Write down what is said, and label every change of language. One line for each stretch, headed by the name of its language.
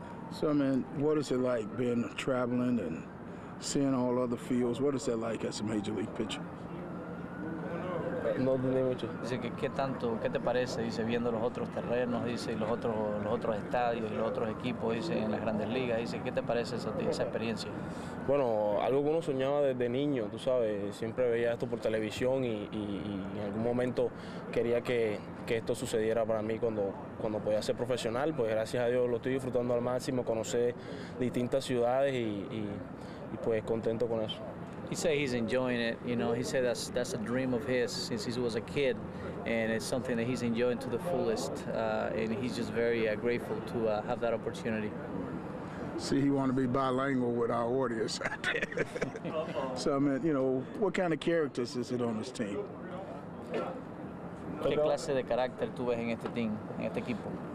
English: So, man, what is it like being traveling and seeing all other fields? What is that like as a major league pitcher?
Spanish: No tiene mucho. Dice que qué tanto, qué te parece, dice, viendo los otros terrenos, dice, y los otros estadios y los otros equipos, dice, en las grandes ligas, dice, qué te parece esa experiencia. Bueno, algo que uno soñaba desde niño, tú sabes, siempre veía esto por televisión y en algún momento quería que esto sucediera para mí cuando podía ser profesional, pues gracias a Dios lo estoy disfrutando al máximo, conocer distintas ciudades y pues contento con eso.
English: He said he's enjoying it, you know, he said that's a dream of his since he was a kid, and it's something that he's enjoying to the fullest, and he's just very grateful to have that opportunity. See, he want to be bilingual with our audience. So, I mean, you know, what kind of characters is it on this team?
Spanish: ¿Qué clase de carácter tú ves en este team, en este equipo?